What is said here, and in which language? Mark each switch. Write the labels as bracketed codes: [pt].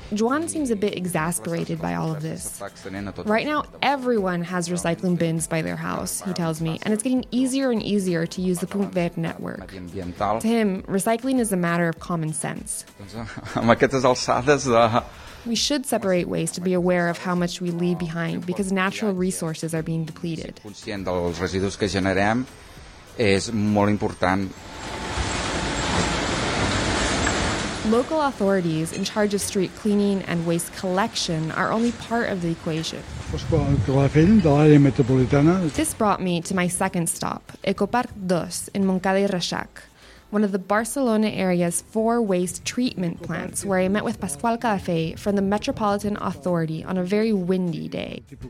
[en] Joan seems a bit exasperated by all of this. Right now, everyone has recycling bins by their house, he tells me, and it's getting easier and easier to use the Punt Verd network. To him, recycling is a matter of common sense. [ca] Amb aquestes alçades de... [en] We should separate waste to be aware of how much we leave behind because natural resources are being depleted. [ca] Conscient dels residus que generem és molt important. [en] Local authorities in charge of street cleaning and waste collection are only part of the equation. This brought me to my second stop, Ecoparc 2 in Montcada I Reixac, one of the Barcelona area's 4 waste treatment plants, where I met with Pasqual Calafé from the Metropolitan Authority on a very windy day.